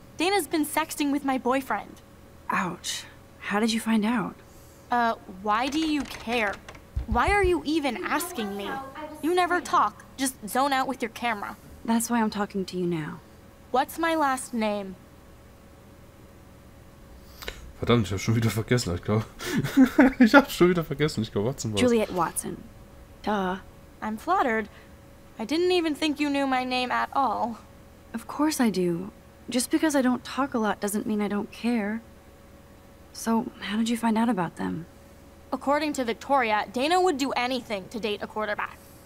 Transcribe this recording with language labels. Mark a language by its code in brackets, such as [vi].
[en] Dana's been sexting with my boyfriend. Ouch. How did you find out? Why do you care? Why are you even asking me? You never talk. Just zone out with your camera. That's why I'm talking to you now. What's my last name? [de] Verdammt, ich hab schon wieder vergessen, ich glaube. Ich hab schon wieder vergessen, ich glaube Watson war. [en] Juliet Watson. Duh. I'm flattered. I didn't even think you knew my name at all. Of course I do. Just because I don't talk a lot doesn't mean I don't care. So, how did you find out about them? According to Victoria, Dana would do anything to date a quarterback.